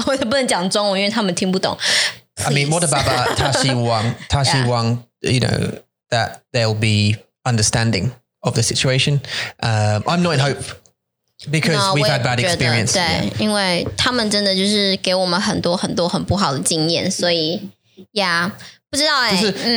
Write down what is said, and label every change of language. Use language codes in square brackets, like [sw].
[zh] 我也不能讲中文，因为他们听不懂。I [en] mean, what about that? [zh] 他希望, [en] you know, that they'll be understanding of the situation. I'm not in hope because we've had bad experience. [zh] 对，因为他们真的就是给我们很多很多很不好的经验, 所以, yeah, 不知道欸,